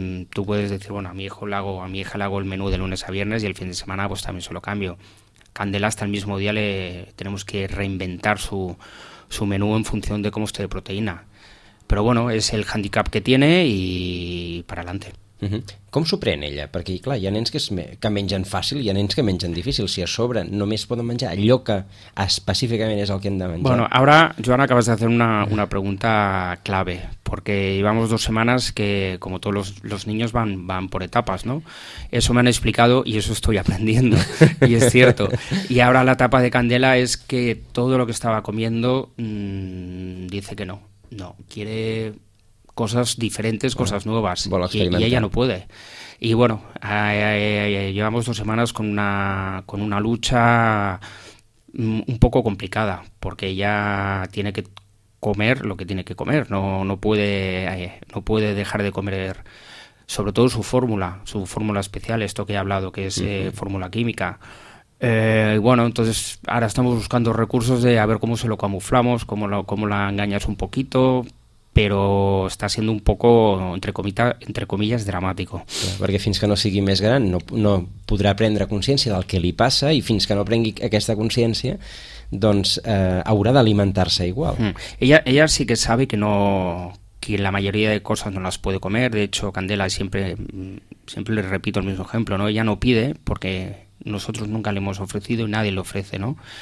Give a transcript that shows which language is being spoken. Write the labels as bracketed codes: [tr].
[es] Tú puedes decir, bueno, a mi hija le hago el menú de lunes a viernes y el fin de semana pues también se lo cambio. Candela hasta el mismo día le tenemos que reinventar su menú en función de cómo esté de proteína. Pero bueno, es el handicap que tiene y para adelante. [ca] Com s'ho pren ella? Perquè clar, hi ha nens que mengen fàcil i hi ha nens que mengen difícil. Si a sobre només poden menjar allò que específicament és el que hem de menjar. [es] Bueno, ahora, Joan, acabas de hacer una pregunta clave, porque llevamos dos semanas que, como todos los niños, van por etapas, ¿no? Eso me han explicado y eso estoy aprendiendo, y es cierto. Y ahora la etapa de Candela es que todo lo que estaba comiendo dice que no, quiere cosas diferentes, bueno, cosas nuevas, y ella no puede. Y bueno, llevamos dos semanas con una lucha un poco complicada, porque ella tiene que comer lo que tiene que comer, no puede dejar de comer, sobre todo su fórmula especial, esto que he hablado, que es fórmula química. Y bueno, entonces ahora estamos buscando recursos de a ver cómo se lo camuflamos, cómo la engañas un poquito, pero está siendo un poco, entre comillas, dramático. [ca] Perquè fins que no sigui més gran no podrà prendre consciència del que li passa, i fins que no prengui aquesta consciència, doncs haurà d'alimentar-se igual. [es] Ella sí que sabe que la mayoría de cosas no las puede comer. De hecho, Candela siempre le repito el mismo ejemplo, ¿no? Ella no pide porque nosotros nunca le hemos ofrecido y nadie le ofrece, ¿no?